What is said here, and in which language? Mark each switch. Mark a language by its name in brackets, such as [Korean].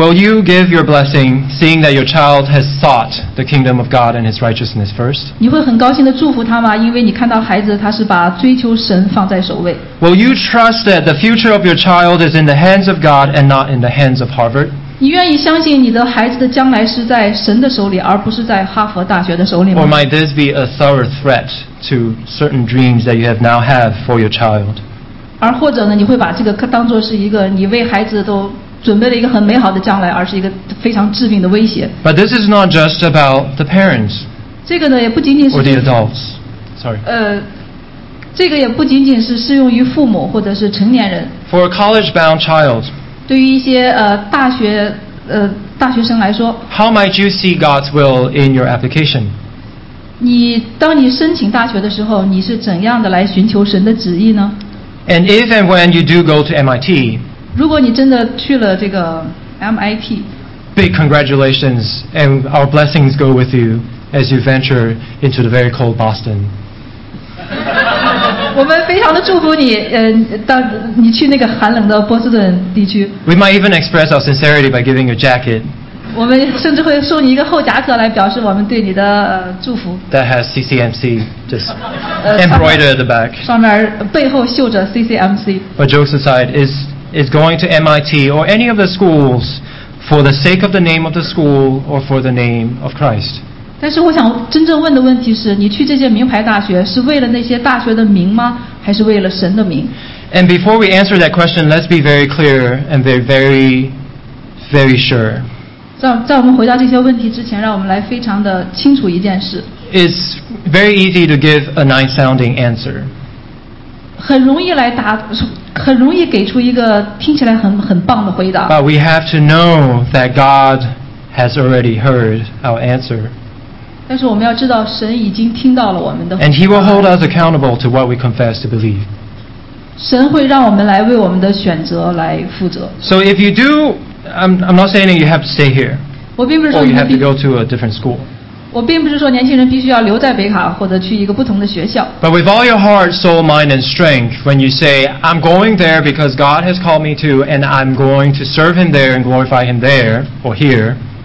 [English] Will you give your blessing, seeing that your child has sought the kingdom of God and His righteousness first? [Chinese] 你会很高兴的祝福他吗？因为你看到孩子他是把追求神放在首位。 [English] Will you trust that the future of your child is in the hands of God and not in the hands of Harvard? [Chinese] 你愿意相信你的孩子的将来是在神的手里，而不是在哈佛大学的手里吗？ [English] Or might this be a thorough threat to certain dreams that you have now have for your child? [Chinese] 而或者呢，你会把这个当作是一个你为孩子都准备了一个很美好的将来，而是一个非常致命的威胁。 [English] But this is not just about the parents. [Chinese] 这个呢，也不仅仅是。 [English] Or the adults. Sorry. [Chinese] 这个也不仅仅是适用于父母或者是成年人。 [English] For a college-bound child, [Chinese] 对于一些大学生来说 [English] ，How might you see God's will in your application? [Chinese] 你当你申请大学的时候，你是怎样的来寻求神的旨意呢 [English] ？And if and when you do go to MIT, [Chinese] 如果你真的去了这个 MIT, [English] big congratulations and our blessings go with you as you venture into the very cold Boston. [Chinese] 我们非常的祝福你，当你去那个寒冷的波士顿地区。 [English] We might even express our sincerity by giving you a jacket. [Chinese] 我们甚至会送你一个厚夹克来表示我们对你的祝福。 [English] That has CCMC just embroidered at the back. [Chinese] 上面背后绣着 CCMC. [English] But jokes aside, is going to MIT or any of the schools for the sake of the name of the school or for the name of Christ? [Chinese] 但是我想真正问的问题是，你去这些名牌大学是为了那些大学的名吗？还是为了神的名？ [English] And before we answer that question, let's be very clear and very, very, very sure. [Chinese] 在我们回答这些问题之前，让我们来非常的清楚一件事。 [English] It's very easy to give a nice sounding answer. [Chinese] 很容易给出一个听起来很棒的回答。 [English] But we have to know that God has already heard our answer. [Chinese] 但是我们要知道，神已经听到了我们的。 [English] And He will hold us accountable to what we confess to believe. [Chinese] 神会让我们来为我们的选择来负责。 [English] So if you do, I'm not saying you have to stay here. [Chinese] 我并不是说 [English] or you have to go to a different school. [Chinese] 我并不是说年轻人必须要留在北卡或者去一个不同的学校。 [English] But with all your heart, soul, mind, and strength, when you say, I'm going there because God has called me to, and I'm going to serve Him there and glorify Him there or here.